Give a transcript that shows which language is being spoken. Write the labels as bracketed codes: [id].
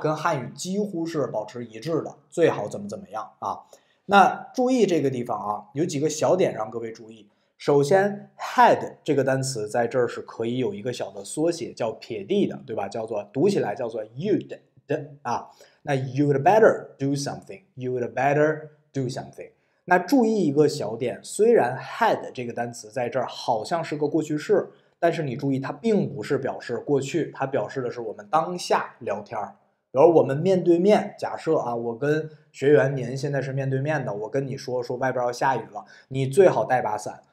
[zh] 跟汉语几乎是保持一致的，最好怎么怎么样啊。那注意这个地方啊，有几个小点让各位注意。首先 had 这个单词在这儿是可以有一个小的缩写叫撇 d 的，对吧？叫做读起来叫做 you'd 啊。 [en] 那 you'd better do something， you'd better do something。 [zh] 那注意一个小点，虽然 had 这个单词在这儿好像是个过去式，但是你注意它并不是表示过去，它表示的是我们当下聊天。比如我们面对面，假设我跟学员您现在是面对面的，我跟你说外边要下雨了，你最好带把伞。